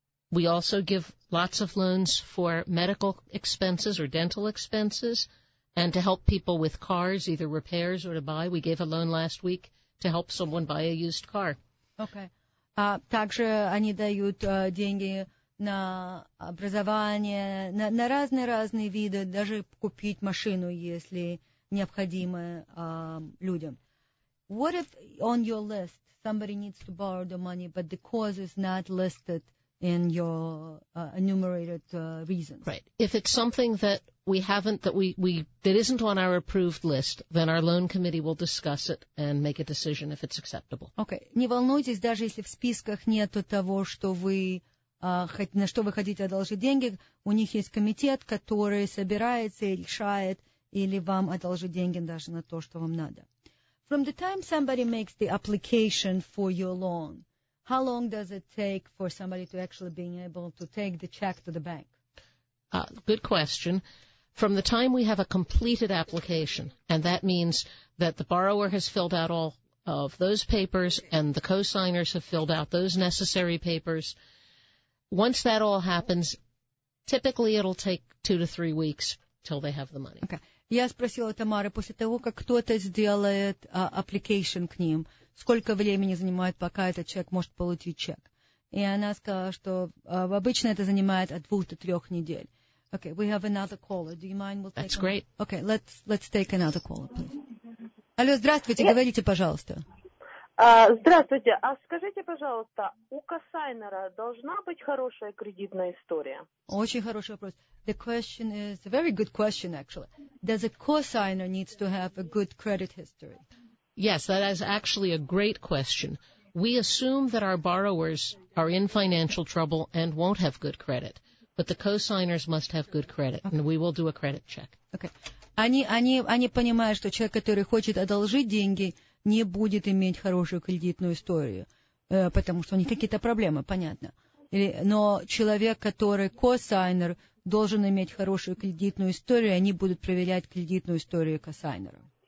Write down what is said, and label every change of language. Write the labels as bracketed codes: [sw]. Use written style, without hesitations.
[en] We also give lots of loans for medical expenses or dental expenses and to help people with cars, either repairs or to buy. We gave a loan last week to help someone buy a used car. Okay. [ru] Также они дают деньги на образование, на разные виды, даже купить машину, если необходимо людям. [en] What if on your list somebody needs to borrow the money, but the cause is not listed in your enumerated reasons? Right. If it's something that we haven't, that isn't on our approved list, then our loan committee will discuss it and make a decision if it's acceptable. Okay. [ru] Не волнуйтесь, даже если в списках нету того, что вы на что вы хотите одолжить деньги, у них есть комитет, который собирается и решает, или вам одолжить деньги даже на то, что вам надо. [en] From the time somebody makes the application for your loan, how long does it take for somebody to actually be able to take the check to the bank? Good question. From the time we have a completed application, and that means that the borrower has filled out all of those papers and the co-signers have filled out those necessary papers, once that all happens, typically it'll take 2 to 3 weeks till they have the money. Okay. [ru] Я спросила Тамары, после того, как кто-то сделает application к ним, сколько времени занимает, пока этот человек может получить чек? И она сказала, что обычно это занимает от 2 to 3 недель. [en] Okay, we have another caller. Do you mind? We'll That's great. Another? Okay, let's take another caller, please. [ru] Алло, здравствуйте, [en] yes. [ru] Говорите, пожалуйста. Здравствуйте. А скажите, пожалуйста, у косайнера должна быть хорошая кредитная история? Очень хороший вопрос. [en] The question is a very good question, actually. Does a cosigner need to have a good credit history? Yes, that is actually a great question. We assume that our borrowers are in financial trouble and won't have good credit, but the cosigners must have good credit, okay. And we will do a credit check. Okay. [ru] Они понимают, что человек, который хочет одолжить деньги, не будет иметь хорошую кредитную историю, потому что у них какие-то проблемы, понятно. Но человек, который косайнер, должен иметь хорошую кредитную историю, и они будут проверять кредитную историю косайнера.